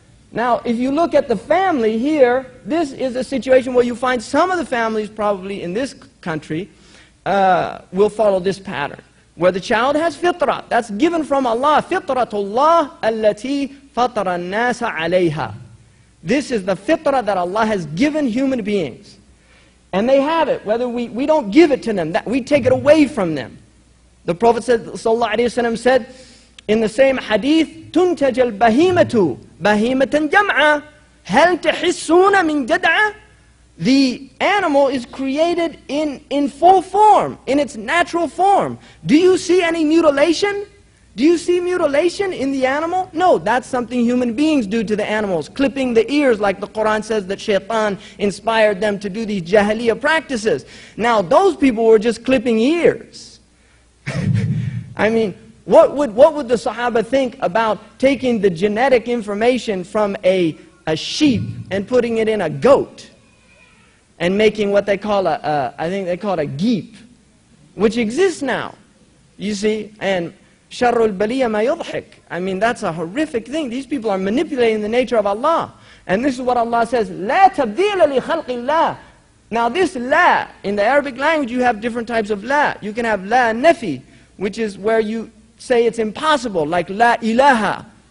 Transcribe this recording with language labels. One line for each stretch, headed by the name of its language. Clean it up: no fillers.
English: Now, if you look at the family here, this is a situation where you find some of the families probably in this country will follow this pattern, where the child has fitrah. That's given from Allah. Fitratullah allati fatara an-nasa alayha. This is the fitrah that Allah has given human beings. And they have it. Whether we don't give it to them, that we take it away from them. The Prophet said in the same hadith,
Arabic: تُنْتَجَ الْبَهِيمَةُ بَهِيمَةً جَمْعًا هَلْ تَحِسُّونَ مِنْ جَدْعًا.
English: The animal is created in full form, in its natural form. Do you see any mutilation? Do you see mutilation in the animal? No, that's something human beings do to the animals, clipping the ears, like the Quran says that shaitan inspired them to do these jahiliya practices. Now, those people were just clipping ears. I mean, what would the Sahaba think about taking the genetic information from a sheep and putting it in a goat? And making what they call a geep, which exists now, you see.
Arabic: And شر البلية ما يضحك.
English: I mean, that's a horrific thing. These people are manipulating the nature of Allah. And this is what Allah says,
Arabic: لا تبديل لخلق الله.
English: Now this لا, in the Arabic language you have different types of لا. You can have لا نفي, which is where you say it's impossible, like
Arabic: لا إله.